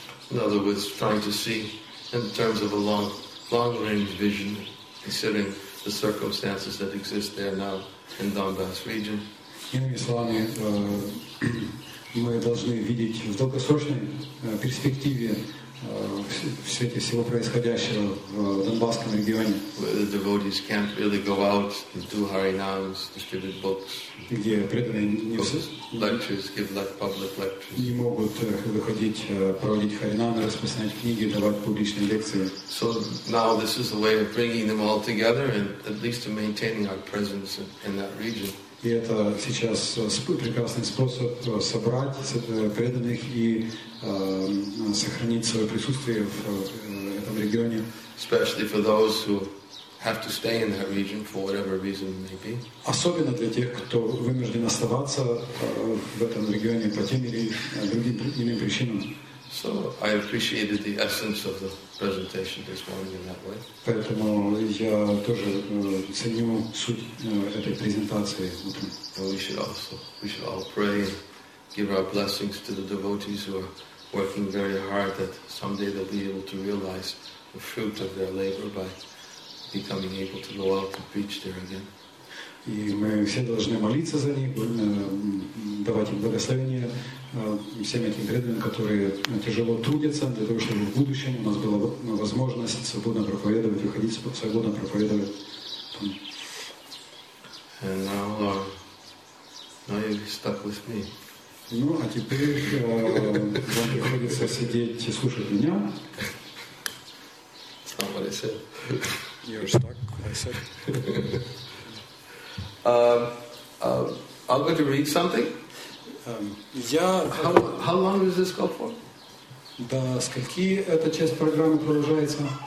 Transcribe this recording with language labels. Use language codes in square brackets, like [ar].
[en] In other words, trying to see in terms of a long-range vision, considering the circumstances that exist there now in Donbass region. [ru] Иными словами, мы должны видеть в долгосрочной перспективе в свете всего происходящего в Донбасском регионе, [en] where the devotees can't really go out and do harinams, distribute books, [ru] где преданные не в [en] lectures, give like public lectures, [ru] не могут выходить, проводить харинамы, распространять книги, давать публичные лекции. [en] So now this is a way of bringing them all together and at least to maintaining our presence in that region. [ru] И это сейчас прекрасный способ собрать преданных и сохранить свое присутствие в этом регионе. [en] Especially for those who have to stay in that region for whatever reason may be. [ru] Особенно для тех, кто вынужден оставаться в этом регионе по тем или другим причинам. [en] So I appreciated the essence of the presentation this morning in that way. [ru] Поэтому я тоже ценю суть этой презентации. [en] We should all pray and give our blessings to the devotees who are working very hard that someday they'll be able to realize the fruit of their labor by becoming able to go out and preach there again. [ru] И мы все должны молиться за них, давать им благословение всем этим преданным, которые тяжело трудятся, для того, чтобы в будущем у нас была возможность свободно проповедовать, выходить свободно проповедовать. [en] And now you're stuck with me. [ru] Ну, а теперь вам приходится сидеть и слушать меня. [en] Somebody said, you're stuck, I said. I'm going to read something. How long is this called for? [ru] До скольки эта часть программы продолжается?